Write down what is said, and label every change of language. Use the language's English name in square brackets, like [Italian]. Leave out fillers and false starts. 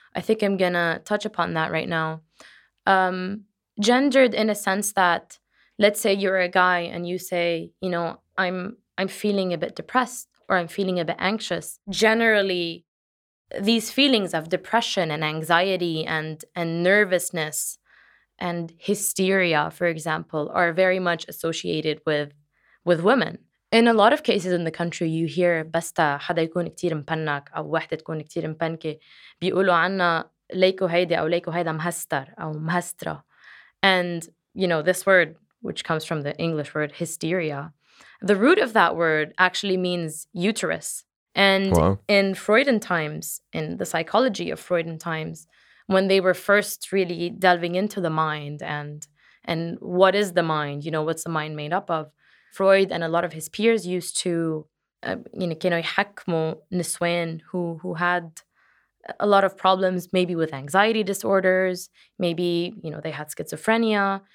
[English] I think I'm going to touch upon that right now. Gendered in a sense that, let's say you're a guy and you say, you know, I'm feeling a bit depressed or I'm feeling a bit anxious. Generally, these feelings of depression and anxiety and nervousness and hysteria, for example, are very much associated with women. In a lot of cases in the country, you hear basta [Arabic] حدا يكون كتير مبنك أو واحدة تكون كتير مبنكة بيقولوا عنا ليكو هيدا أو ليكو هيدا مهستر أو مهسترة. [English] And, you know, this word, which comes from the English word hysteria, the root of that word actually means uterus. And in Freudian times, in the psychology of Freudian times, when they were first really delving into the mind and what is the mind, you know, what's the mind made up of, Freud and a lot of his peers used to, you know, [Arabic] كانوا يحكموا نسوان [English] who had a lot of problems, maybe with anxiety disorders, maybe, you know, they had schizophrenia.